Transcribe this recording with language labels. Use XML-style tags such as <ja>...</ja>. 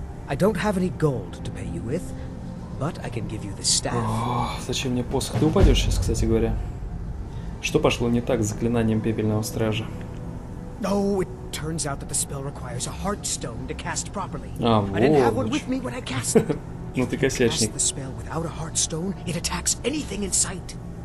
<en>I don't have any gold to pay you with, but I can give you the staff.</en> <ru>Зачем мне посох? Ты упадешь сейчас, кстати говоря. Что пошло не так с заклинанием пепельного стража?</ru> <en>No, it turns out that the spell requires a heartstone to cast properly. I didn't have one with me when I cast it.</en> <ru>Ну ты косячник.</ru> <en>The spell without a heartstone, it attacks anything in sight.</en>